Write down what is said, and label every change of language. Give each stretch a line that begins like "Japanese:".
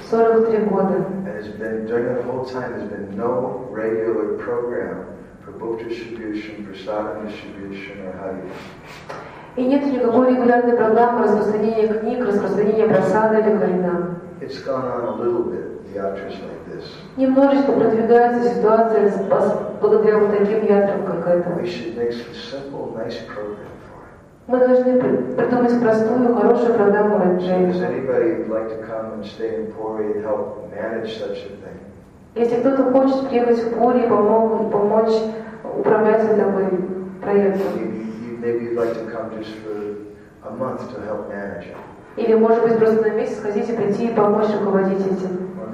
English: And it's been during the whole time there's been no regular program for book distribution, prasadam distribution, or hari.
Russian: И нет никакой регулярной программы распространения книг, распространения прасада или харинам.
English: It's gone on a little bit. Yatras like this.
Russian: Немножечко продвигается ситуация благодаря вот таким ятрам, как это.
English: We should make a simple, nice program for it.
Russian: Мы должны придумать простую, хорошую программу для джейна.
English: So, anybody would like to come and stay in Puri and help manage such a thing?
Russian: Если кто-то хочет приехать в Пури и помочь управлять этим проектом.
English: Maybe you'd like to come just for a month to help manage it.
Russian: Или, может быть, просто на месяц сходить и прийти и помочь руководить этим.